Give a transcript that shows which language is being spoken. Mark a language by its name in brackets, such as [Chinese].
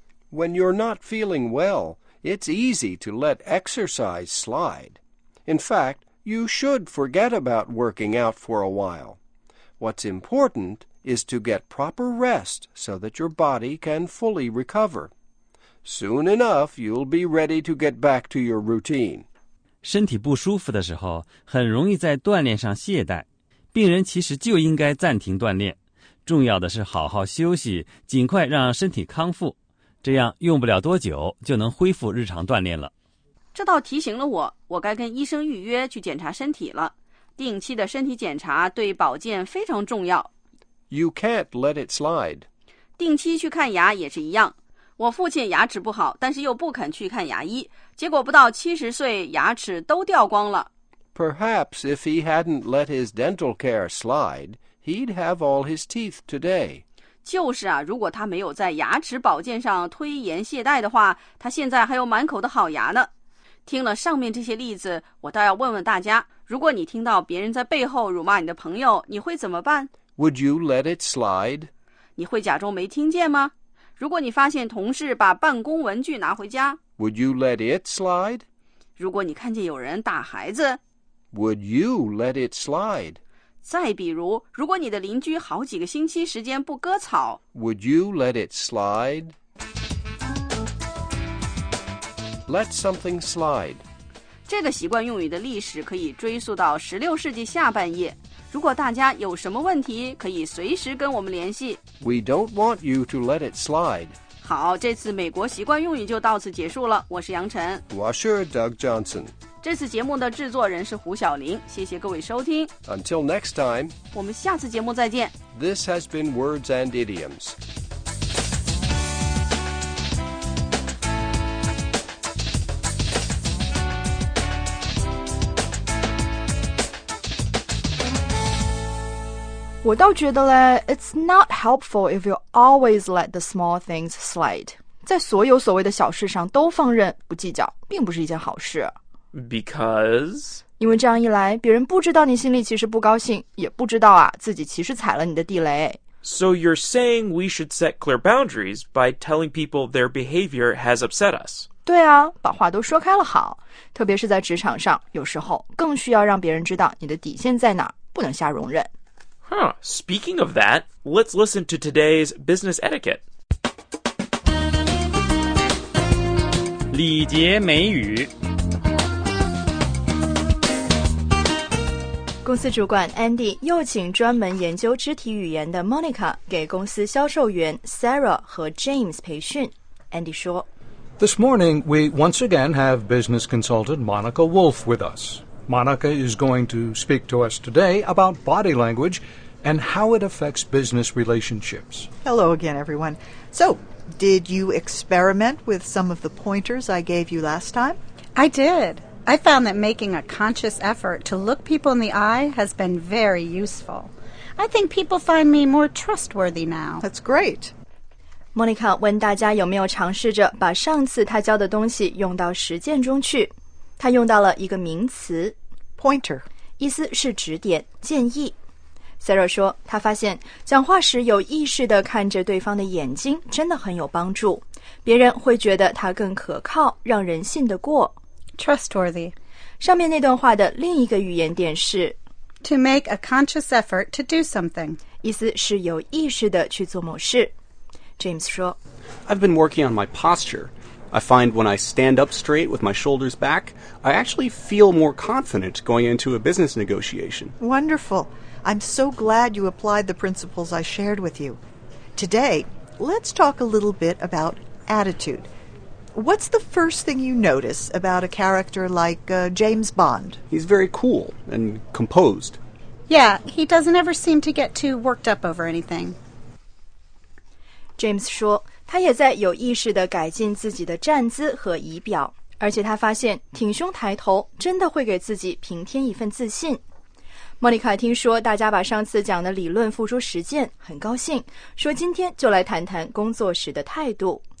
[English] When you're not feeling well, it's easy to let exercise slide. In fact, you should forget about working out for a while. What's important is to get proper rest so that your body can fully recover. Soon enough, you'll be ready to get back to your routine. [Chinese] 身体不舒服的时候，很容易在锻炼上懈怠。病人其实就应该暂停锻炼，重要的是好好休息，尽快让身体康复，这样用不了多久就能恢复日常锻炼了。这倒提醒了我，我该跟医生预约去检查身体了。定期的身体检查对保健非常重要。 [English] You can't let it slide. [Chinese] 定期去看牙也是一样。我父亲牙齿不好，但是又不肯去看牙医，结果不到70岁，牙齿都掉光了。 [English] Perhaps if he hadn't let his dental care slide, he'd have all his teeth today. [Chinese] 就是啊，如果他没有在牙齿保健上推延懈怠的话，他现在还有满口的好牙呢。听了上面这些例子，我倒要问问大家，如果你听到别人在背后辱骂你的朋友，你会怎么办？ [English] Would you let it slide? [Chinese] 你会假装没听见吗？如果你发现同事把办公文具拿回家， [English] Would you let it slide? [Chinese] 如果你看见有人打孩子， [English] Would you let it slide? [Chinese] 再比如，如果你的邻居好几个星期时间不割草， [English] Would you let it slide? Let something slide. [Chinese] 这个习惯用语的历史可以追溯到16世纪下半叶。如果大家有什么问题，可以随时跟我们联系。 [English] We don't want you to let it slide. [Chinese] 好，这次美国习惯用语就到此结束了。我是杨晨。我是 Doug Johnson. 这次节目的制作人是胡晓玲。谢谢各位收听。 [English] Until next time. [Chinese] 我们下次节目再见。 [English] This has been Words and Idioms. It's not helpful if you always let the small things slide. [Chinese] 在所有所谓的小事上都放任不计较，并不是一件好事。 [English] Because? [Chinese] 因为这样一来，别人不知道你心里其实不高兴，也不知道啊，自己其实踩了你的地雷。 [English] So you're saying we should set clear boundaries by telling people their behavior has upset us. [Chinese] 对啊，把话都说开了好。特别是在职场上，有时候更需要让别人知道你的底线在哪，不能瞎容忍。 [English] Huh, speaking of that, let's listen to today's business etiquette. [Chinese] 礼节美语。公司主管 Andy 又请专门研究肢体语言的 Monica 给公司销售员 Sarah 和 James 培训。 Andy 说 [English] This morning, we once again have business consultant Monica Wolf with us. Monica is going to speak to us today about body language,and how it affects business relationships. Hello again, everyone. So, did you experiment with some of the pointers I gave you last time? I did. I found that making a conscious effort to look people in the eye has been very useful. I think people find me more trustworthy now. That's great. [Chinese] Monica 问大家有没有尝试着把上次她教的东西用到实践中去。她用到了一个名词 [English] Pointer. [Chinese] 意思是指点、建议。 Sarah 说她发现讲话时有意识地看着对方的眼睛真的很有帮助。别人会觉得她更可靠，让人信得过。 [English] Trustworthy. [Chinese] 上面那段话的另一个语言点是 [English] To make a conscious effort to do something. [Chinese] 意思是有意识地去做某事。 James 说 [English] I've been working on my posture. I find when I stand up straight with my shoulders back, I actually feel more confident going into a business negotiation. Wonderful. I'm so glad you applied the principles I shared with you. Today, let's talk a little bit about attitude. What's the first thing you notice about a character like, James Bond? He's very cool and composed. Yeah, he doesn't ever seem to get too worked up over anything. [Chinese] James 说，他也在有意识地改进自己的站姿和仪表，而且他发现挺胸抬头真的会给自己平添一份自信。莫妮卡听说大家把上次讲的理论付诸实践，很高兴，说今天就来谈谈工作时的态度